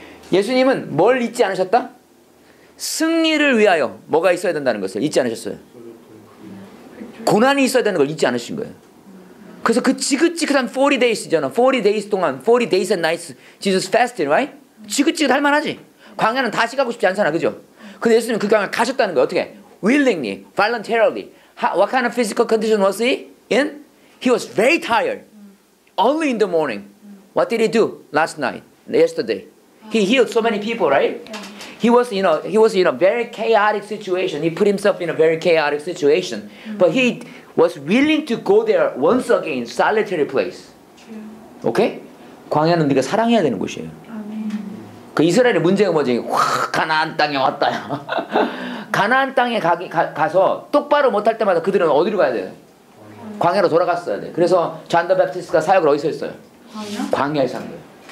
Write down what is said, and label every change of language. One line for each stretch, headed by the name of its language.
Korean: 예수님은 뭘 잊지 않으셨다? 승리를 위하여 뭐가 있어야 된다는 것을 잊지 않으셨어요. 고난이 있어야 되는 걸 잊지 않으신 거예요. 그래서 그 지긋지긋한
English: 40 days and nights, Jesus fasted, right?
Korean: 지긋지긋할 만하지. 광야는 다시 가고 싶지 않잖아, 그죠? 근데 예수님은 그 광야 가셨다는 거예요. 어떻게?
English: Willingly, voluntarily. What kind of physical condition was he in? He was very tired. Only in the morning. What did he do last night? Yesterday. He healed so many people, right? He was in a very chaotic situation. He put himself in a very chaotic situation. But he was willing to go there once again, solitary place. Okay?
Korean: 광야는 네가 사랑해야 되는 곳이에요. 그 이스라엘의 문제가 뭐지? 가나안 땅에 왔다야. 가나안 땅에 가서 똑바로 못할 때마다 그들은 어디로 가야 돼요? 광야로 돌아갔어야 돼. 그래서 존 더 베프티스트가 사역을 어디서 했어요? 광야에서 한 거예요.